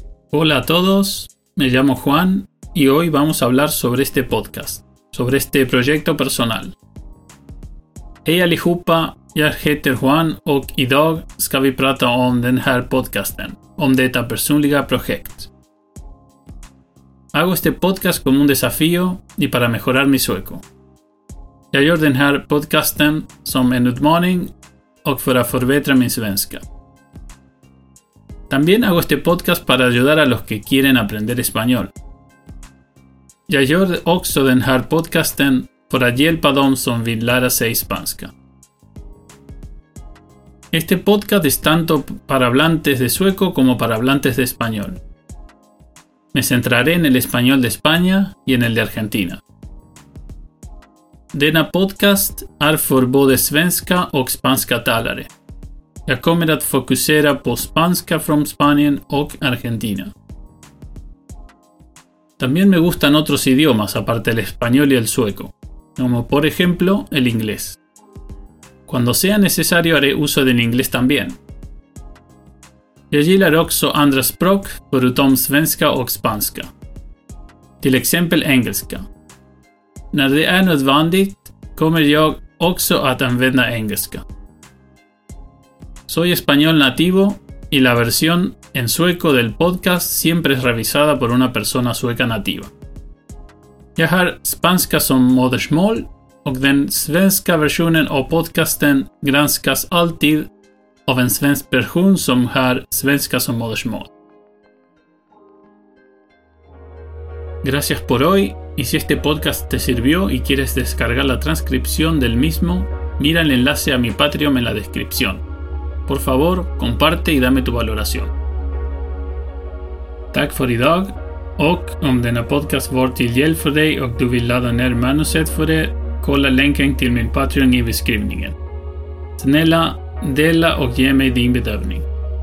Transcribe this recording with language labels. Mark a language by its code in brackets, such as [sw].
[es] Hola a todos, me llamo Juan y hoy vamos a hablar sobre este podcast, sobre este proyecto personal. [sv] Hej allihopa, jag heter Juan och idag ska vi prata om den här podcasten, om detta personliga projekt. [es] Hago este podcast como un desafío y para mejorar mi sueco. [sv] Jag gör den här podcasten som en utmaning och för att förbättra min svenska. [es] También hago este podcast para ayudar a los que quieren aprender español. [sv] Jag gör också den här podcasten för att hjälpa dem som vill lära sig spanska. [es] Este podcast es tanto para hablantes de sueco como para hablantes de español. Me centraré en el español de España y en el de Argentina. [sv] Denna podcast är för både svenska och spanska talare. Jag kommer att fokusera på spanska från Spanien och Argentina. [es] También me gustan otros idiomas aparte del español y el sueco, como por ejemplo el inglés. Cuando sea necesario haré uso del inglés también. [sv] Jag gillar också andra språk förutom svenska och spanska. Till exempel engelska. När det är nödvändigt kommer jag också att använda engelska. [es] Soy español nativo y la versión en sueco del podcast siempre es revisada por una persona sueca nativa. [sv] Jag har spanska som modersmål och den svenska versionen av podcasten granskas alltid av en svensk person som har svenska som modersmål. [es] Gracias por hoy. Y si este podcast te sirvió y quieres descargar la transcripción del mismo, mira el enlace a mi Patreon en la descripción. Por favor, comparte y dame tu valoración. [sv] Tack för idag. Och om denna podcast var till hjälp för dig och du vill ladda ner manuset för det, kolla länken till min Patreon i beskrivningen. Snälla, dela och ge mig din bedömning.